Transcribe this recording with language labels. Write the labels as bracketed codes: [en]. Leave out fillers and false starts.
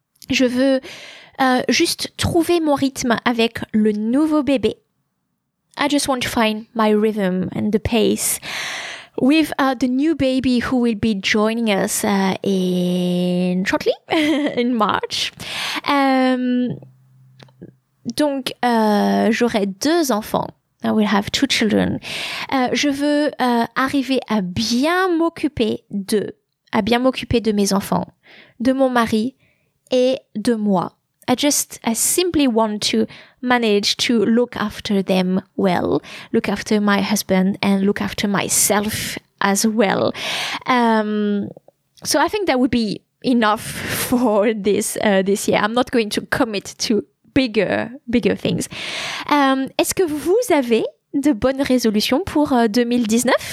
[fr] Je veux juste trouver mon rythme avec le nouveau bébé. [en] I just want to find my rhythm and the pace with the new baby who will be joining us in shortly, in March. [fr] Donc, j'aurai deux enfants. [en] I will have two children. [fr] Je veux arriver à bien m'occuper d'eux, à bien m'occuper de mes enfants, de mon mari et de moi. [en] I simply want to manage to look after them well, look after my husband and look after myself as well. So I think that would be enough for this this year. I'm not going to commit to bigger things. [fr] Est-ce que vous avez de bonnes résolutions pour 2019?